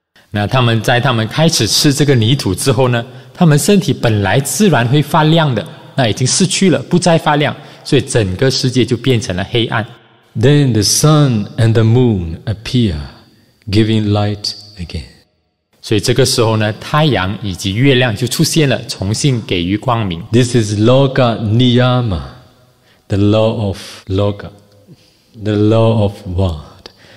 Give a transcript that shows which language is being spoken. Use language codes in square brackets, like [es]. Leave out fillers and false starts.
[zh] 那他们在他们开始吃这个泥土之后呢，他们身体本来自然会发亮的，那已经失去了，不再发亮，所以整个世界就变成了黑暗。 [en] Then the sun and the moon appear, giving light again. [zh] 所以这个时候呢，太阳以及月亮就出现了，重新给予光明。 [en] This is Loka Niyama, the law of Loka, the law of world.